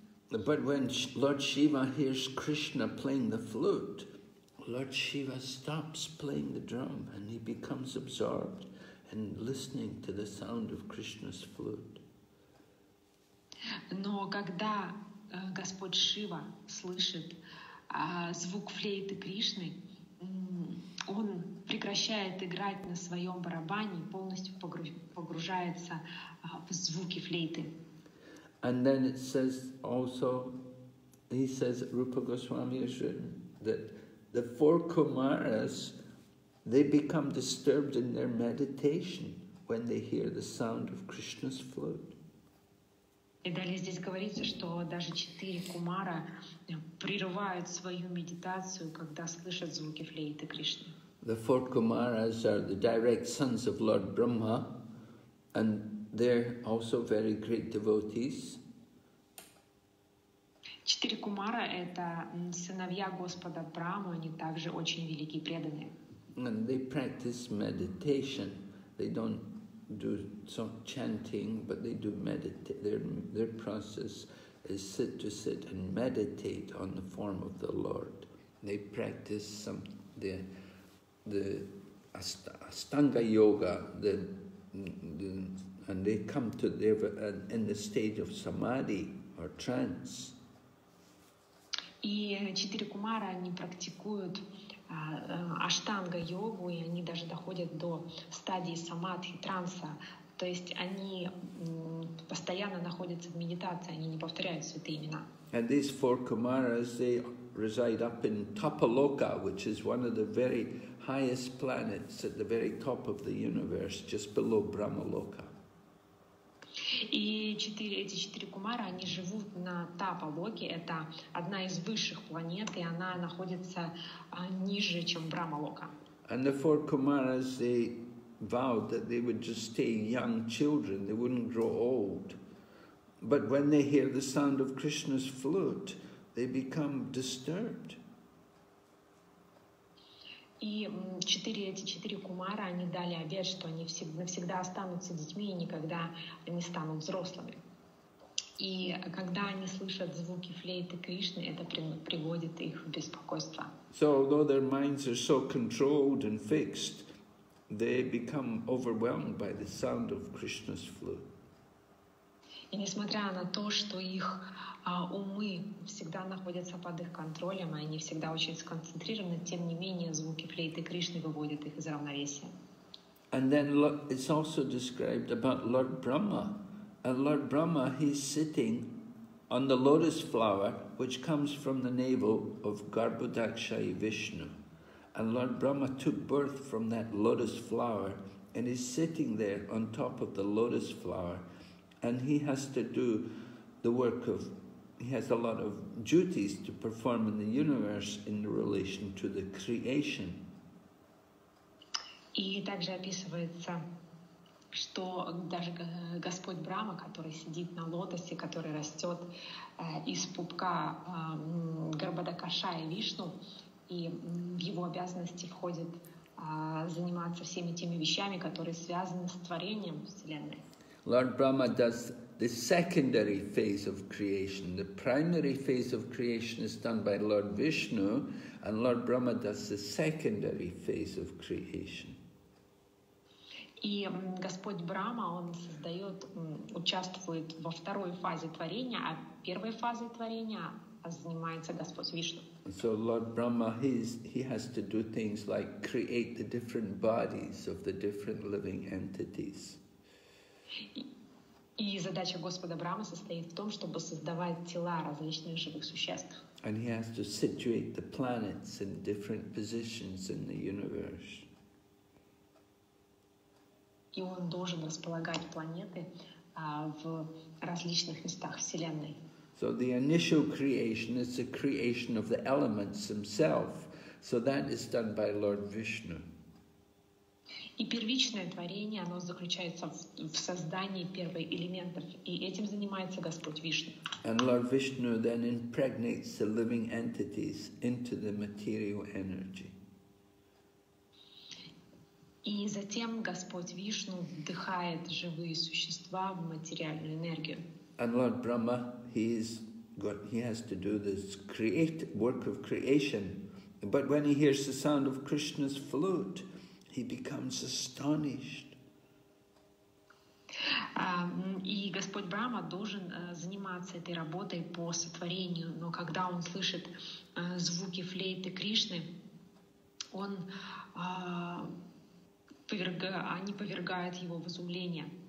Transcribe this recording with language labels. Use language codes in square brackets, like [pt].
[en] But when Lord Shiva hears Krishna playing the flute, Lord Shiva stops playing the drum and he becomes absorbed in listening to the sound of Krishna's flute. [ru] Но когда Господь Шива слышит звук флейты Кришны, он прекращает играть на своем барабане и полностью погружается в звуки флейты. [en] And then it says also, he says, Rupa Goswami has written, that the four Kumaras, they become disturbed in their meditation when they hear the sound of Krishna's flute. [ru] И далее здесь говорится, что даже четыре кумара прерывают свою медитацию, когда слышат звуки флейты Кришны. [en] The four kumaras are the direct sons of Lord Brahma, and they're also very great devotees. [ru] Четыре кумара — это сыновья Господа Брахмы, они также очень великие преданные. [en] And they practice meditation. They don't do some chanting, but they do meditate. Their process is sit and meditate on the form of the Lord. They practice some the Astanga Yoga, and they come to in the stage of samadhi or trance. [ru] И четыре кумара они практикуют аштанга йогу, и они даже доходят до стадии самадхи, транса. То есть они постоянно находятся в медитации, они не повторяют святые имена. [en] And these four kumaras, they reside up in Tapaloka, which is one of the very highest planets at the very top of the universe, just below Brahmaloka. [ru] И эти четыре кумара, они живут на Тапа-локе, это одна из высших планет, и она находится ниже, чем Брахма-лока. [en] And the four kumaras, they vowed that they would just stay young children, they wouldn't grow old. But when they hear the sound of Krishna's flute, they become disturbed. [ru] И эти четыре кумара, они дали обет, что они навсегда останутся детьми и никогда не станут взрослыми. И когда они слышат звуки флейты Кришны, это приводит их в беспокойство. [en] So although their minds are so controlled and fixed, they become overwhelmed by the sound of Krishna's flute. [ru] И несмотря на то, что их умы всегда находятся под их контролем, и они всегда очень сконцентрированы, тем не менее звуки флейты Кришны выводят их из равновесия. [en] And then it's also described about Lord Brahma. And Lord Brahma, he's sitting on the lotus flower, which comes from the navel of Garbhodakshayi Vishnu. And Lord Brahma took birth from that lotus flower and is sitting there on top of the lotus flower. And he has to do the work of, he has a lot of duties to perform in the universe in relation to the creation. [ru] И также описывается, что даже Господь Брама, который сидит на лотосе, который растет из пупка Гарбходакшаи Вишну, и в его обязанности входит заниматься всеми теми вещами, которые связаны с творением Вселенной. [en] Lord Brahma does the secondary phase of creation. The primary phase of creation is done by Lord Vishnu, and Lord Brahma does the secondary phase of creation. [ru] И Господь Брама, он создает, участвует во второй фазе творения, а первой фазе творения занимается Господь Вишну. [en] So Lord Brahma, he has to do things like create the different bodies of the different living entities. [ru] И задача Господа Брама состоит в том, чтобы создавать тела различных живых существ. [en] And he has to situate the planets in different positions in the universe. [ru] И он должен располагать планеты в различных местах Вселенной. [en] So the initial creation is the creation of the elements themselves. So that is done by Lord Vishnu. [ru] И первичное творение, оно заключается в создании первых элементов. И этим занимается Господь Вишну. [en] And Lord Vishnu then impregnates the living entities into the material energy. [ru] И затем Господь Вишну вдыхает живые существа в материальную энергию. [en] And Lord Brahma, he has to do this create work of creation. But when he hears the sound of Krishna's flute, he becomes astonished. [ru] И Господь Брама должен заниматься этой работой по сотворению, но когда он слышит звуки флейты Кришны, он они повергают его в изумление.